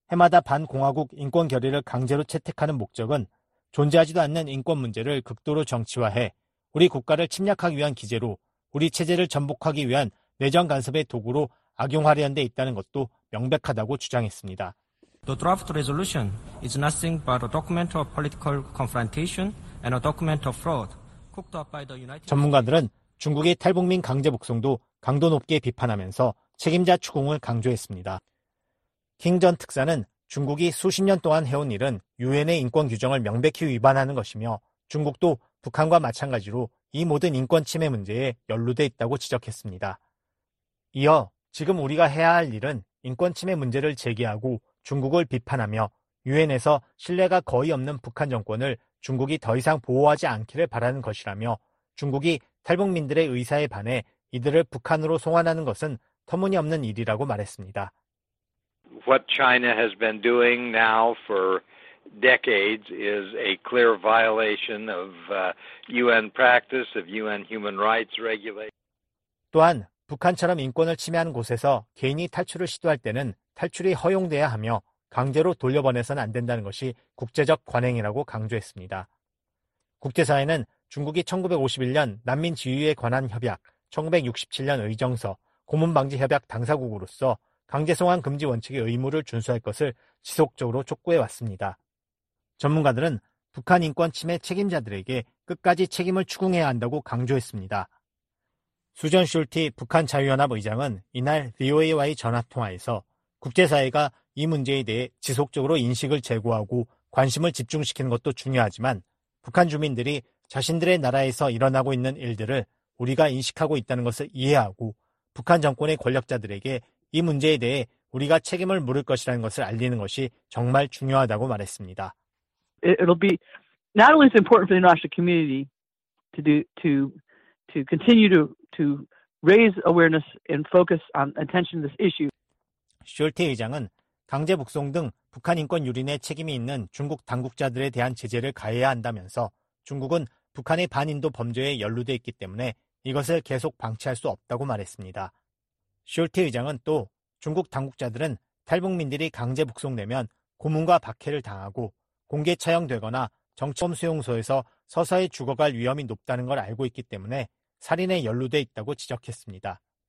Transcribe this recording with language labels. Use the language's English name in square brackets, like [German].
[Korean] 해마다 반공화국 인권 결의를 강제로 채택하는 목적은 존재하지도 않는 인권 문제를 극도로 정치화해 우리 국가를 침략하기 위한 기제로 우리 체제를 전복하기 위한 내정 간섭의 도구로 악용하려는 데 있다는 것도 명백하다고 주장했습니다. [English] The draft resolution is nothing but a document of political confrontation and a document of fraud cooked up by the United. [Korean] 전문가들은 중국의 탈북민 강제 북송도 강도 높게 비판하면서 책임자 추궁을 강조했습니다. 킹 전 특사는 중국이 수십 년 동안 해온 일은 유엔의 인권 규정을 명백히 위반하는 것이며 중국도 북한과 마찬가지로 이 모든 인권 침해 문제에 연루돼 있다고 지적했습니다. 이어 지금 우리가 해야 할 일은 인권 침해 문제를 제기하고 중국을 비판하며 유엔에서 신뢰가 거의 없는 북한 정권을 중국이 더 이상 보호하지 않기를 바라는 것이라며 중국이 탈북민들의 의사에 반해 이들을 북한으로 송환하는 것은 터무니없는 일이라고 말했습니다. [English] What China has been doing now for decades is a clear violation of UN practice, of UN human rights regulations. [Korean] 또한 북한처럼 인권을 침해하는 곳에서 개인이 탈출을 시도할 때는 탈출이 허용돼야 하며 강제로 돌려보내서는 안 된다는 것이 국제적 관행이라고 강조했습니다. 국제사회는 중국이 1951년 난민 지위에 관한 협약, 1967년 의정서, 고문 방지 협약 당사국으로서 강제 송환 금지 원칙의 의무를 준수할 것을 지속적으로 촉구해 왔습니다. 전문가들은 북한 인권 침해 책임자들에게 끝까지 책임을 추궁해야 한다고 강조했습니다. 수전 숄티 북한 자유연합 의장은 이날 VOA와의 전화 통화에서 국제사회가 이 문제에 대해 지속적으로 인식을 제고하고 관심을 집중시키는 것도 중요하지만 북한 주민들이 자신들의 나라에서 일어나고 있는 일들을 우리가 인식하고 있다는 것을 이해하고 북한 정권의 권력자들에게 이 문제에 대해 우리가 책임을 물을 것이라는 것을 알리는 것이 정말 중요하다고 말했습니다. [English] It'll be not only is important for the international community to continue to raise awareness and focus on attention to this issue. [Korean] 숄티 의장은 강제 북송 등 북한 인권 유린에 책임이 있는 중국 당국자들에 대한 제재를 가해야 한다면서 중국은 북한의 반인도 범죄에 연루돼 있기 때문에 이것을 계속 방치할 수 없다고 말했습니다. 숄티 의장은 또 중국 당국자들은 탈북민들이 강제 북송되면 고문과 박해를 당하고 공개 처형되거나 정치범 수용소에서 서서히 죽어갈 위험이 높다는 걸 알고 있기 때문에 살인에 연루돼 있다고 지적했습니다.